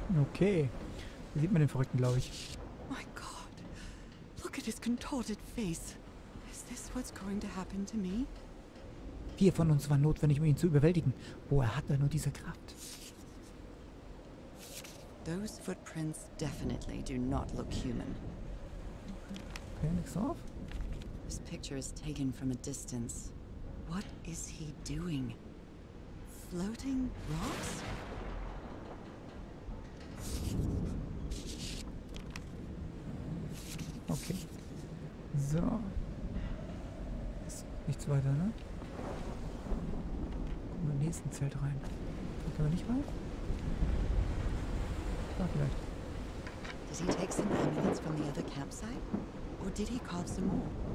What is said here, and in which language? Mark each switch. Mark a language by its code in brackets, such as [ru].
[de] Okay, wie sieht man den Verrückten, glaube ich. [en] My God, look at his contorted face. What's going to happen to me? [de] Vier von uns waren notwendig, um ihn zu überwältigen. Woher hat er nur diese Kraft? [en] Those footprints definitely do not look human. [de] Okay, nix drauf. [en] This picture is taken from a distance. What is he doing? Floating rocks? Okay. So. [de] Nichts weiter, ne? Gucken wir im nächsten Zelt rein. Da können wir nicht rein? Da vielleicht. [en] Did he take some ammunition from the other campsite? Or did he carve some more?